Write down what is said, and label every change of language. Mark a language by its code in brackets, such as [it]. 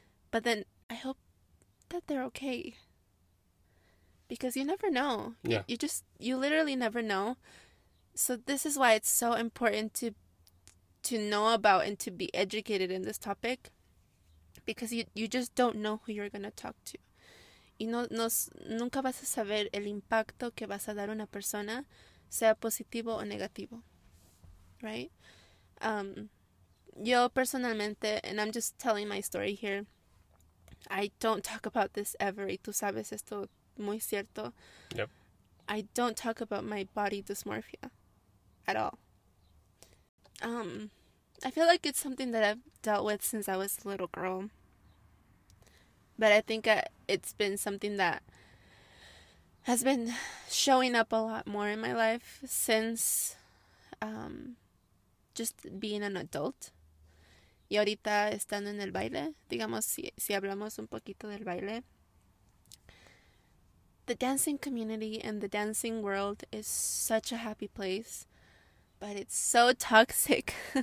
[en] But then I hope that they're okay. Because you never know. Yeah. You literally never know. So this is why it's so important to know about and to be educated in this topic. Because you just don't know who you're gonna talk to. [es] Y no, no, nunca vas a saber el impacto que vas a dar a una persona, sea positivo o negativo. [en] Right? [es] Yo personalmente, [en] and I'm just telling my story here, I don't talk about this ever. [es] Y tú sabes esto muy cierto. [en] I don't talk about my body dysmorphia at all. I feel like it's something that I've dealt with since I was a little girl. But I think it's been something that has been showing up a lot more in my life since just being an adult. [es] Y ahorita estando en el baile, digamos, si hablamos un poquito del baile. [en] The dancing community and the dancing world is such a happy place, but it's so toxic.